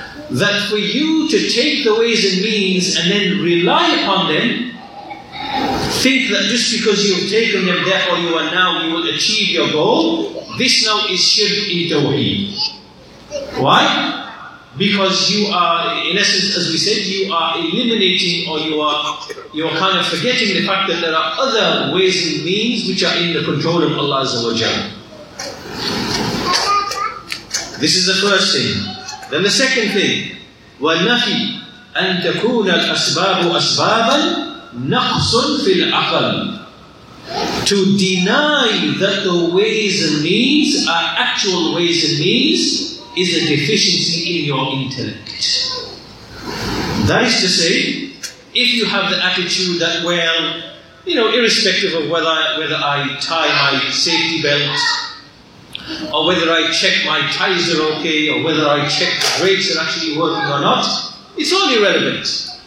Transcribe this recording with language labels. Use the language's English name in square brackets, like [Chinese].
[English] That for you to take the ways and means and then rely upon them, think that just because you've taken them, therefore you will achieve your goal, this now is shirk in tawheed. Why? Because you are, in essence, as we said, you are eliminating or you are kind of forgetting the fact that there are other ways and means which are in the control of Allah Azza wa Jalla. This is the first thing. Then the second thing, [Arabic] وَالنَّفِي أَن تَكُونَ الْأَسْبَابُ أَسْبَابًا نَقْصٌ فِي الْعَقَلِ. [English] To deny that the ways and means are actual ways and means is a deficiency in your intellect. That is to say, if you have the attitude that, well, you know, irrespective of whether I tie my safety belt, or whether I check my tires are okay, or whether I check the brakes are actually working or not, it's all irrelevant.